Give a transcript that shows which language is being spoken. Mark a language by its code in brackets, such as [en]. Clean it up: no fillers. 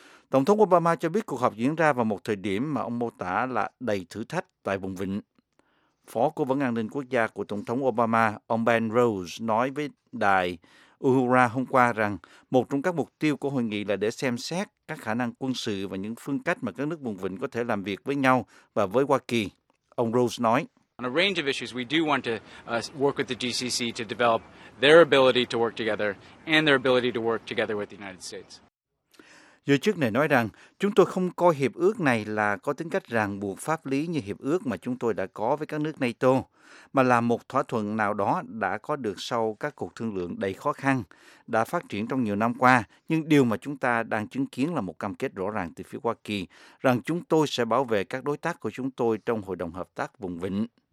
[vi] Tổng thống Obama cho biết cuộc họp diễn ra vào một thời điểm mà ông mô tả là đầy thử thách tại vùng vịnh. Phó Cố vấn An ninh Quốc gia của Tổng thống Obama, ông Ben Rhodes, nói với đài Uhura hôm qua rằng một trong các mục tiêu của hội nghị là để xem xét các khả năng quân sự và những phương cách mà các nước vùng vịnh có thể làm việc với nhau và với Hoa Kỳ. Ông Rhodes nói, [en] on a range of issues, we do want to work with the GCC to develop their ability to work together and their ability to work together with the United States. [vi] Giới chức này nói rằng, chúng tôi không coi hiệp ước này là có tính cách ràng buộc pháp lý như hiệp ước mà chúng tôi đã có với các nước NATO, mà là một thỏa thuận nào đó đã có được sau các cuộc thương lượng đầy khó khăn, đã phát triển trong nhiều năm qua, nhưng điều mà chúng ta đang chứng kiến là một cam kết rõ ràng từ phía Hoa Kỳ, rằng chúng tôi sẽ bảo vệ các đối tác của chúng tôi trong Hội đồng Hợp tác vùng vịnh.